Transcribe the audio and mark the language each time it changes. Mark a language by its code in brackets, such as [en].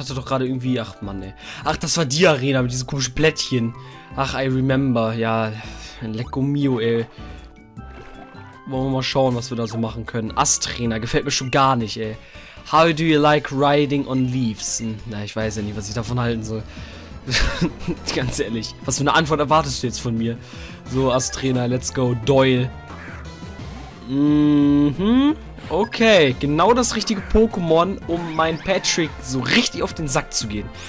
[de] Hatte doch gerade irgendwie... Ach, Mann, ey. Ach, das war die Arena mit diesen komischen Plättchen. Ach, [en] I remember. [de] Ja, Lecco mio, ey. Wollen wir mal schauen, was wir da so machen können. Astrainer, gefällt mir schon gar nicht, ey. [en] How do you like riding on leaves? [de] Na, ich weiß ja nicht, was ich davon halten soll. Ganz ehrlich. Was für eine Antwort erwartest du jetzt von mir? So, Astrainer, [en] let's go. [de] Doyle. Mhm. Okay, genau das richtige Pokémon, um meinen Patrick so richtig auf den Sack zu gehen.